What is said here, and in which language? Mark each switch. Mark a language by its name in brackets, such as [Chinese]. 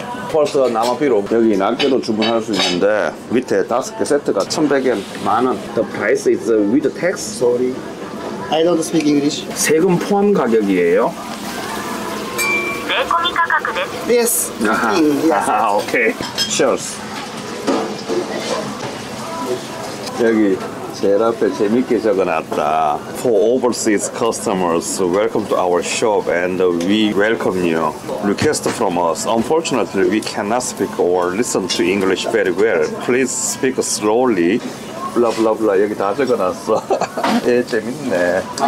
[Korean] 벌써 남아비로 여기 낱개도 주문할 수 있는데 밑에 다섯 개 세트가 1,100엔 만원. [English] The price is with tax. Sorry, I don't speak English. [Korean] 세금 포함 가격이에요? 세금이 가격이에요? [English] Yes. [Korean] 아하. [English] Yes. [Korean] 아하, [English] okay. Cheers. [Korean] 여기 제일 앞에 재밌게 적어놨다. [English] For overseas customers, welcome to our shop and we welcome you. Request from us. Unfortunately, we cannot speak or listen to English very well. Please speak slowly. Blah, blah, blah. [Korean] 여기 다 적어놨어. 예, 재밌네.